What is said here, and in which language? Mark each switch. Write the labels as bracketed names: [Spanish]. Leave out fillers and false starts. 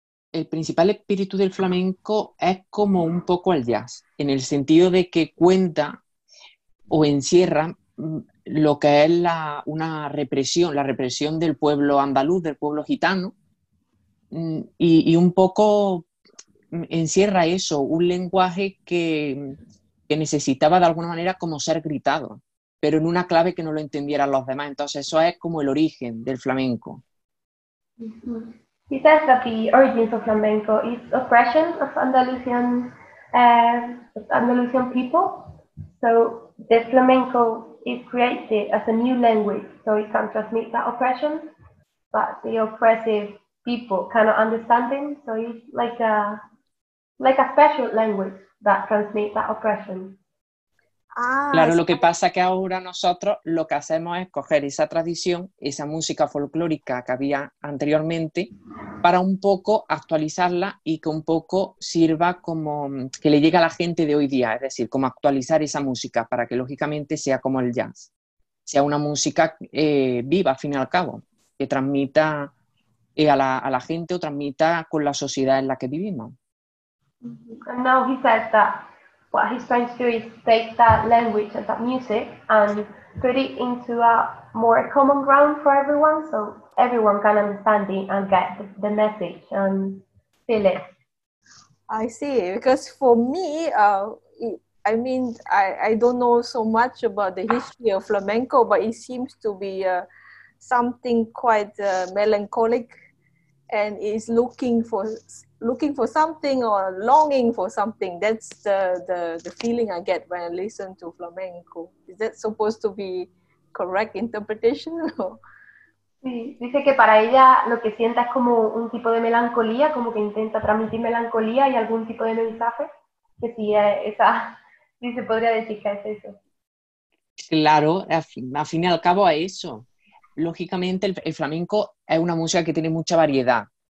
[Spanish] El principal espíritu del flamenco es como un poco el jazz, en el sentido de que cuenta o encierra lo que es la represión del pueblo andaluz, del pueblo gitano, y un poco encierra eso, un lenguaje que necesitaba de alguna manera como ser gritado, pero en una clave que no lo entendieran los demás. Entonces eso es como el origen del flamenco. [English] He says that the origins of flamenco is oppression of Andalusian people. So the flamenco is created as a new language so it can transmit that oppression, but the oppressive people cannot understand it. So it's like a special language that transmits that oppression. [Spanish] Claro, lo que pasa es que ahora nosotros lo que hacemos es coger esa tradición, esa música folclórica que había anteriormente, para un poco actualizarla y que un poco sirva como que le llegue a la gente de hoy día, es decir, como actualizar esa música para que lógicamente sea como el jazz, sea una música viva al fin y al cabo, que transmita a la gente o transmita con la sociedad en la que vivimos. [English] And now he says that. What he's trying to do is take that language and that music and put it into a more common ground for everyone, so everyone can understand it and get the message and feel it. I see, because for me, I don't know so much about the history of flamenco, but it seems to be something quite melancholic, and is looking for something or longing for something. That's the feeling I get when I listen to flamenco. Is that supposed to be correct interpretation? [Spanish] Sí, dice que para ella lo que sienta es como un tipo de melancolía, como que intenta transmitir melancolía y algún tipo de mensaje. Que sí, dice, podría decir que es eso. Claro, al fin y al cabo es eso. Lógicamente el flamenco es una música que tiene mucha variedad.